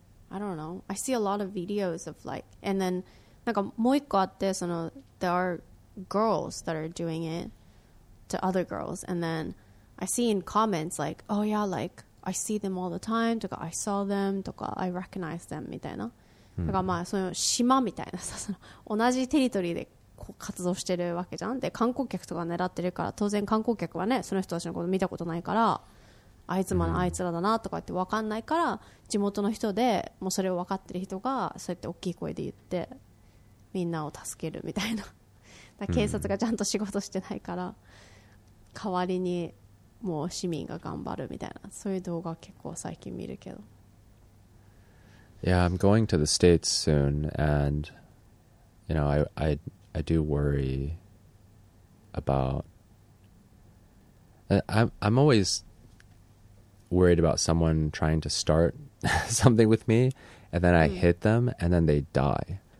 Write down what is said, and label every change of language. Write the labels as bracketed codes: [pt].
[en] I don't know. I see a lot of videos of like, and then, [ja] なんかもう一個あって、その, [en] there are girls that are doing it to other girls. And then I see in comments like, oh yeah, like I see them all the time. とか, I saw them. とか, I recognize them. みたいな. [ja] だからまあその島みたいなさ, その同じテリトリーで活動してるわけじゃん? で、観光客とか狙ってるから、当然観光客はね, その人たちのこと見たことないから、 あいつもあいつらだなとかって分かんないから地元の人でもうそれを分かってる人がそうやって大きい声で言ってみんなを助けるみたいな警察がちゃんと仕事してないから代わりにもう市民が頑張るみたいなそういう動画結構最近見るけど。Yeah, [en] I'm going to the States soon and you know I do worry about I'm always worried about someone trying to start something with me and then I hit them and then they die.